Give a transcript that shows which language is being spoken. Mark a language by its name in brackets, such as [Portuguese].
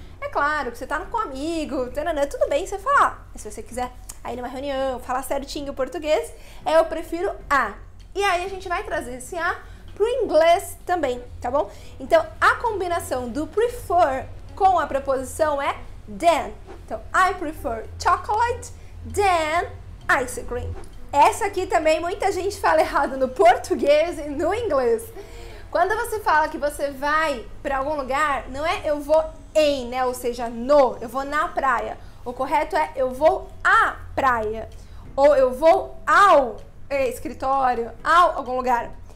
[Portuguese] É claro, que você tá com um amigo, tudo bem você falar. Mas se você quiser aí numa reunião, falar certinho o português, é eu prefiro a. E aí a gente vai trazer esse a pro inglês também, tá bom? Então, a combinação do prefer com a preposição é than. [English] Então, I prefer chocolate than ice cream. [Portuguese] Essa aqui também muita gente fala errado no português e no inglês. Quando você fala que você vai pra algum lugar, não é eu vou em, né? Ou seja, no, eu vou na praia. O correto é eu vou à praia. Ou eu vou ao escritório, ao algum lugar.